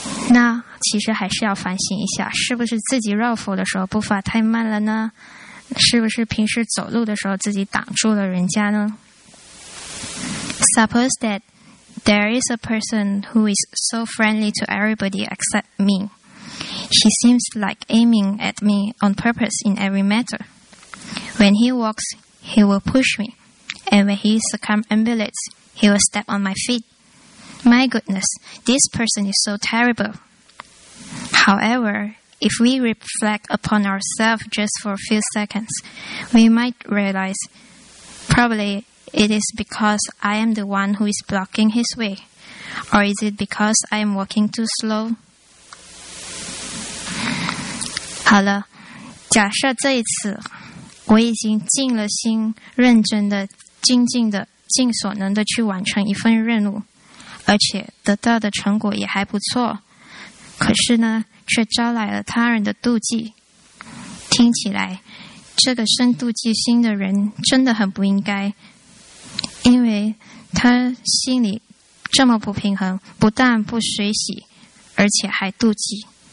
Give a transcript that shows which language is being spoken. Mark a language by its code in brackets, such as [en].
[zh] 那其实还是要反省一下，是不是自己绕佛的时候步伐太慢了呢？是不是平时走路的时候自己挡住了人家呢？ [en] Suppose that there is a person who is so friendly to everybody except me. He seems like aiming at me on purpose in every matter. When he walks, he will push me. And when he circumambulates, he will step on my feet. My goodness, this person is so terrible. However, if we reflect upon ourselves just for a few seconds, we might realize probably it is because I am the one who is blocking his way. Or is it because I am walking too slow? [zh] 好了，假设这一次我已经尽了心，认真的、静静的、尽所能的去完成一份任务，而且得到的成果也还不错。可是呢，却招来了他人的妒忌。听起来，这个生妒忌心的人真的很不应该，因为他心里这么不平衡，不但不随喜，而且还妒忌。